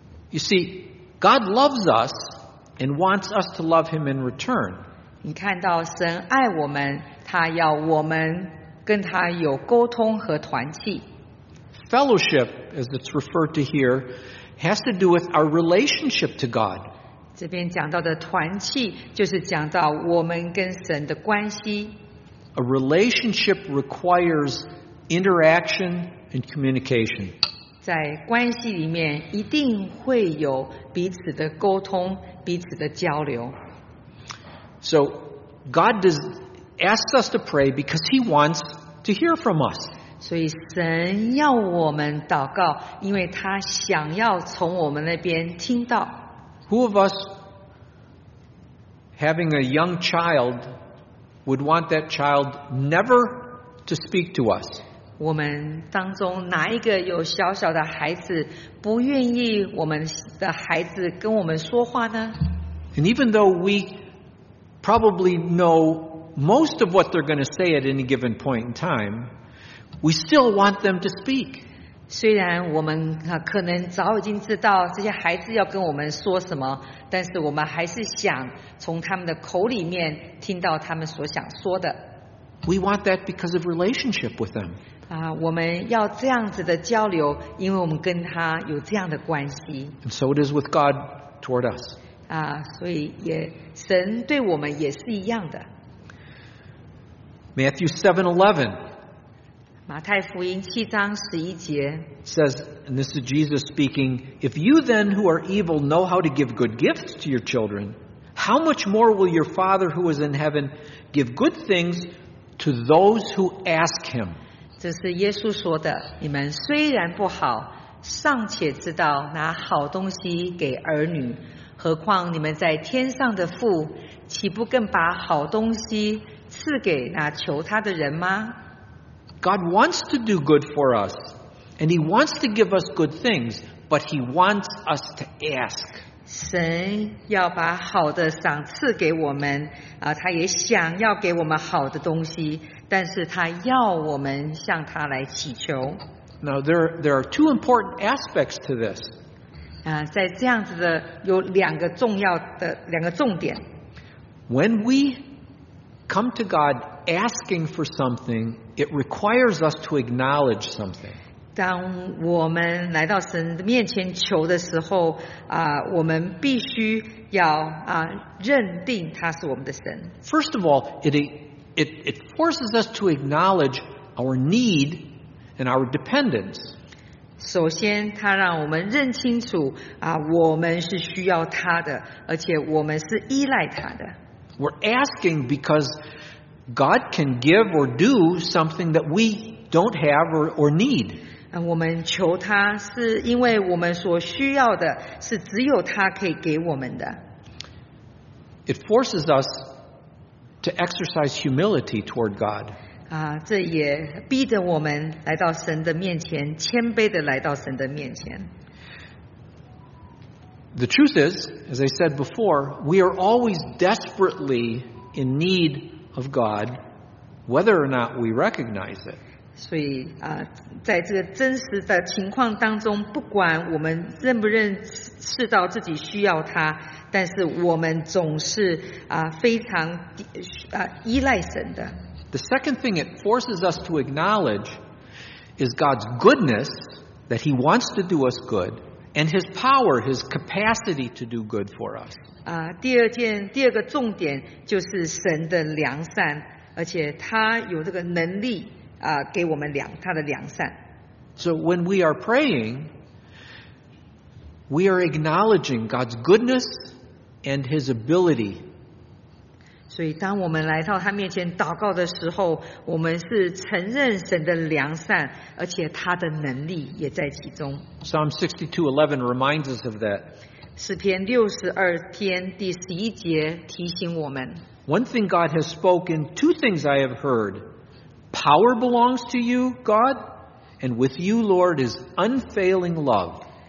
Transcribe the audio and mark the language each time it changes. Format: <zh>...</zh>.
<en>You see, God loves us and wants us to love him in return.</en> <zh>你看到神爱我们，他要我们跟他有沟通和团契。</zh> <en>Fellowship, as it's referred to here, has to do with our relationship to God.</en> <zh>这边讲到的团契就是讲到我们跟神的关系。</zh> <en>A relationship requires interaction and communication.</en> <zh>在关系里面一定会有彼此的沟通，彼此的交流。</zh> <en>So God does ask us to pray because he wants to hear from us.</en> <zh>所以神要我们祷告，因为他想要从我们那边听到。</zh> <en>Who of us having a young child would want that child never to speak to us?</en> <zh>我们当中哪一个有小小的孩子不愿意我们的孩子跟我们说话呢？</zh> <en>And even though we probably know most of what they're going to say at any given point in time, we still want them to speak.</en> <zh>虽然我们可能早已经知道这些孩子要跟我们说什么，但是我们还是想从他们的口里面听到他们所想说的。</zh> <en>We want that because of relationship with them.</en> <zh>我们要这样子的交流，因为我们跟他有这样的关系。</zh> <en>And so it is with God toward us.</en> <zh>所以也神对我们也是一样的。</zh> <en>Matthew 7:11.</en> <zh>马太福音七章十一节</zh> <en>says, and this is Jesus speaking, "If you then who are evil know how to give good gifts to your children, how much more will your Father who is in heaven give good things?" To those who ask him.</en> <zh>这是耶稣说的，你们虽然不好，尚且知道拿好东西给儿女，何况你们在天上的父，岂不更把好东西赐给那求他的人吗？</zh> <en>God wants to do good for us, and he wants to give us good things, but he wants us to ask.</en> <zh>神要把好的赏赐给我们，他也想要给我们好的东西，但是他要我们向他来祈求。</zh> <en>Now there are two important aspects to this.</en> <zh>在这样子的有两个重要的两个重点。</zh> <en>When we come to God asking for something, it requires us to acknowledge something.</en> <zh>当我们来到神面前求的时候，我们必须要认定他是我们的神。</zh> <en>First of all, it forces us to acknowledge our need and our dependence.</en> <zh>首先，他让我们认清楚我们是需要他的，而且我们是依赖他的。</zh> <en>We're asking because God can give or do something that we don't have or need.</en> <zh>我们求他是因为我们所需要的是只有他可以给我们的。</zh> <en>It forces us to exercise humility toward God.</en> <zh>这也逼着我们来到神的面前，谦卑的来到神的面前。</zh> <en>The truth is, as I said before, we are always desperately in need of God, whether or not we recognize it.</en> <zh>所以在这个真实的情况当中，不管我们认不认识到自己需要他，但是我们总是非常依赖神的。</zh> <en>The second thing it forces us to acknowledge is God's goodness, that he wants to do us good, and his power, his capacity to do good for us.</en> <zh>第二个重点就是神的良善，而且他有这个能力给我们他的良善。</zh> <en>So when we are praying, we are acknowledging God's goodness and His ability.</en> <zh>所以当我们来到他面前祷告的时候，我们是承认神的良善，而且他的能力也在其中。</zh> <en>Psalm 62:11 reminds us of that.</en> <zh>诗篇六十二篇第十一节提醒我们。</zh> <en>One thing God has spoken, two things I have heard. Power belongs to you, God, and with you, Lord, is unfailing love.</en>